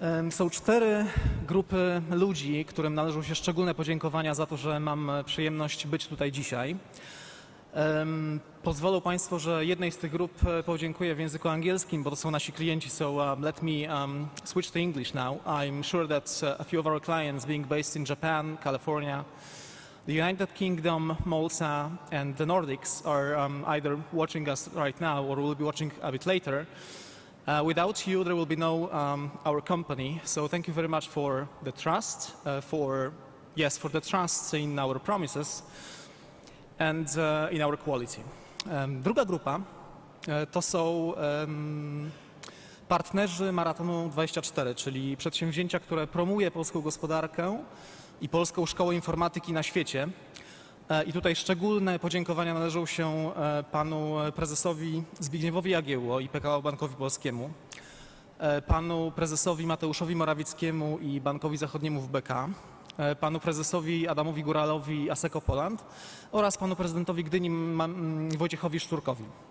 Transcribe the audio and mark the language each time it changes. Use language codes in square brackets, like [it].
[pl] Są cztery grupy ludzi, którym należą się szczególne podziękowania za to, że mam przyjemność być tutaj dzisiaj. Pozwolą państwo, że jednej z tych grup podziękuję w języku angielskim, bo to są nasi klienci, [en] so let me switch to English now. I'm sure that a few of our clients being based in Japan, California, the United Kingdom, Malta and the Nordics are either watching us right now or will be watching a bit later. Without you, there will be no our company. So thank you very much for the trust, for the trust in our promises and in our quality. [pl] Druga grupa to są partnerzy Maratonu 24, czyli przedsięwzięcia, które promuje polską gospodarkę i polską szkołę informatyki na świecie. I tutaj szczególne podziękowania należą się panu prezesowi Zbigniewowi Jagiełło i PKO Bankowi Polskiemu, panu prezesowi Mateuszowi Morawieckiemu i Bankowi Zachodniemu WBK, panu prezesowi Adamowi Góralowi ASECO Poland oraz panu prezydentowi Gdyni Wojciechowi Szturkowi.